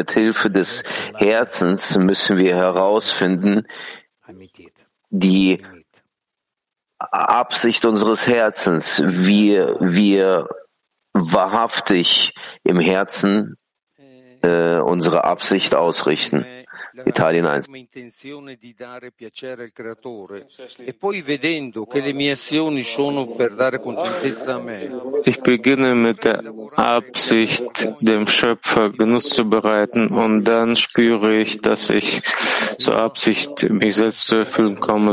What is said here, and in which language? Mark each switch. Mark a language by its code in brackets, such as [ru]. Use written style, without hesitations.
[de] Mit Hilfe des Herzens müssen wir herausfinden, die Absicht unseres Herzens, wie wir wahrhaftig im Herzen unsere Absicht ausrichten. Italien 1. [it] Intenzione di dare piacere al creatore e poi vedendo che le mie azioni sono per dare contentezza a me. [de] Ich beginne mit der Absicht, dem Schöpfer Genuss zu bereiten, und dann spüre ich, dass ich zur Absicht, mich selbst zu erfüllen komme.